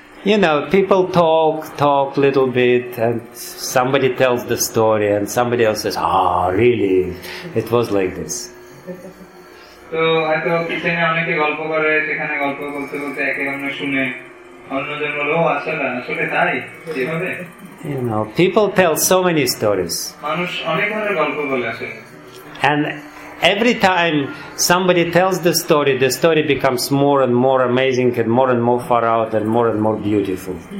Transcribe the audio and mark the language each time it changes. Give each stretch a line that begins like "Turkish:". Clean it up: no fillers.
English: You know, people talk little bit, and somebody tells the story, and somebody else says, "Ah, really? It was like this."
Bangla: তো হয়তো কিচেনে অনেকে গল্প করে, সেখানে গল্প বলতে বলতে একে অন্য শুনে অন্যজন বলো আসলে তাই যেভাবে,
English: you know, people tell so many stories,
Bangla: মানুষ অনেক ধরনের গল্প বলে আসলে,
English: and every time somebody tells the story becomes more and more amazing and more far out and more beautiful.